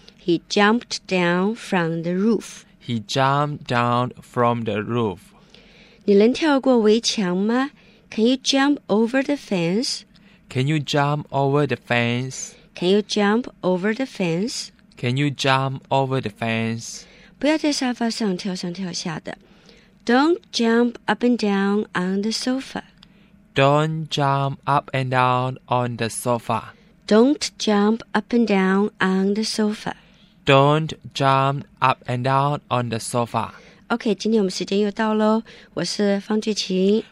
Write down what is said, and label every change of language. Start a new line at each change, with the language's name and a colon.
English: He jumped down from the roof. He jumped down from the roof.
Chinese: 你能跳过围墙吗？
English: Can you jump over the fence? Can you jump over the fence? Can you jump over the fence? Can you jump over the fence?
Chinese: 不要在沙发上跳上跳下的。
English: Don't jump up and down on the sofa. Don't jump up and down on the sofa. Don't jump up and down on the sofa. Don't jump up and down on the sofa.
Chinese: OK, 今天我们时间又到咯。我是方俊琴。